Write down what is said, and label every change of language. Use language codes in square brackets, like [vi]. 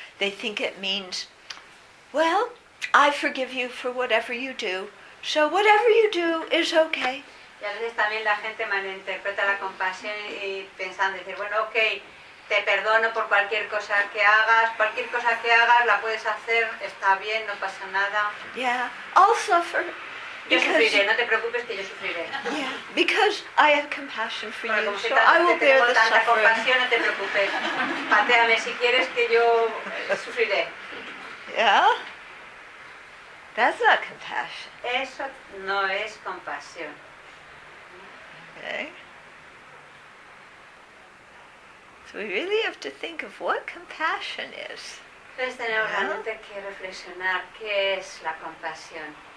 [en] They think it means, well, I forgive you for whatever you do. So whatever you do is okay. [es] Y a veces también la gente malinterpreta la compasión y pensando, decir, bueno, ok, te perdono por cualquier cosa que hagas, la puedes hacer, está bien, no pasa nada. [en] Yeah, I'll suffer. [es] Yo sufriré, no te preocupes que yo sufriré. [en] Yeah, because I have compassion for you, [es] como si [en] so I will bear the suffering. [es] Tengo tanta compasión, no te preocupes. Pateame si quieres que yo sufriré. [en] Yeah. That's not compassion. [es] Eso no es compasión. [en] Okay. So we really have to think of what compassion is. [es] Pues tenemos realmente que reflexionar qué es la compasión.